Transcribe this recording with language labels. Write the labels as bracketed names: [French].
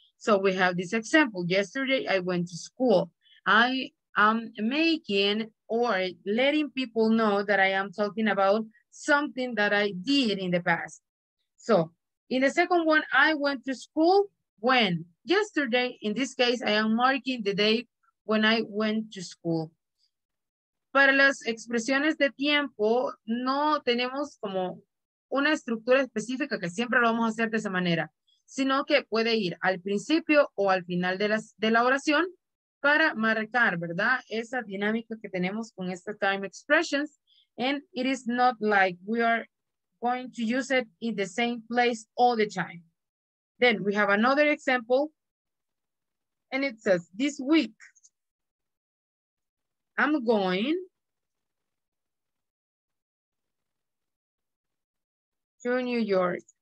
[English] So we have this example, yesterday I went to school. I am making or letting people know that I am talking about something that I did in the past. So in the second one, I went to school when? Yesterday, in this case, I am marking the day when I went to school. [Spanish] Para las expresiones de tiempo, no tenemos como una estructura específica que siempre lo vamos a hacer de esa manera, sino que puede ir al principio o al final de la oración para marcar, ¿verdad? Esa dinámica que tenemos con estas time expressions. [English] And it is not like we are going to use it in the same place all the time. Then we have another example, and it says, this week, I'm going to New York.